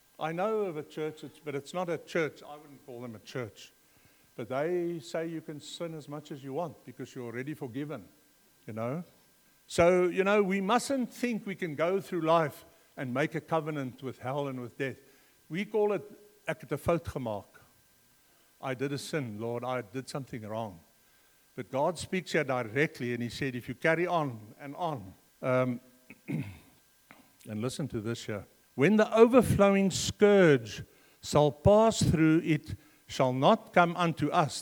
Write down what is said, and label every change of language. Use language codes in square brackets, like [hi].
[en] I know of a church, but it's not a church. I wouldn't call them a church. But they say you can sin as much as you want because you're already forgiven, you know? So, you know, we mustn't think we can go through life and make a covenant with hell and with death. We call it, [af] ek het 'n fout gemaak. [en] I did a sin, Lord. I did something wrong. But God speaks here directly, and he said, if you carry on and on. and listen to this here. When the overflowing scourge shall pass through, it shall not come unto us.